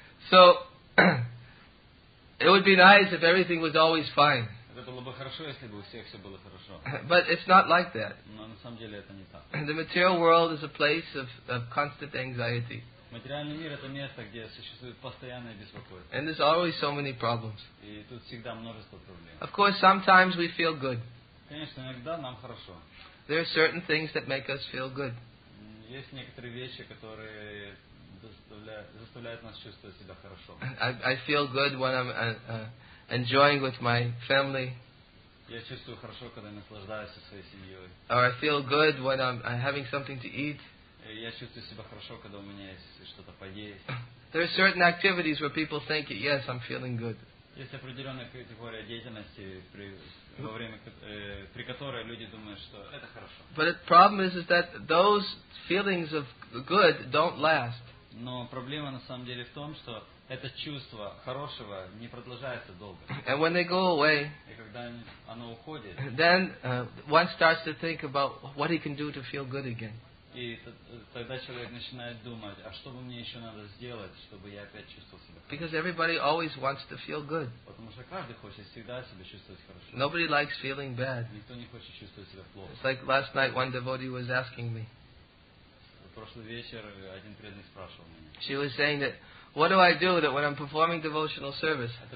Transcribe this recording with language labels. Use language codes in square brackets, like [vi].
[en] So, it would be nice if everything was always fine. But it's not like that. The material world is a place of constant anxiety. [ru] Материальный мир — это место, где существует постоянное беспокойство. [en] And there's always so many problems. [ru] И тут всегда множество проблем. [en] Of course, sometimes we feel good. [ru] Конечно, иногда нам хорошо. [en] There are certain things that make us feel good. [ru] Есть некоторые вещи, которые заставляют нас чувствовать себя хорошо. [en] I feel good when I'm enjoying with my family. [ru] Я чувствую хорошо, когда наслаждаюсь со своей семьей. [en] Or I feel good when I'm having something to eat. [ru] Я чувствую себя хорошо, когда у меня есть что-то поесть. [en] There are certain activities where people think, yes, I'm feeling good. [ru] Есть определенная категория деятельности, при которой люди думают, что это хорошо. [en] But the problem is that those feelings of good don't last. [ru] Но проблема на самом деле в том, что это чувство хорошего не продолжается долго. [en] And when they go away, [ru] и когда оно уходит, [en] then one starts to think about what he can do to feel good again. [ru] И тогда человек начинает думать, а что бы мне еще надо сделать, чтобы я опять чувствовал себя хорошо? [en] Because everybody always wants to feel good. [ru] Потому что каждый хочет всегда себя чувствовать хорошо. [en] Nobody likes feeling bad. [ru] Никто не хочет чувствовать себя плохо. [en] It's like last night one devotee was asking me. [ru] Прошлый вечер один преданный спрашивал меня. [en] She was saying that, What do I do that when I'm performing devotional service?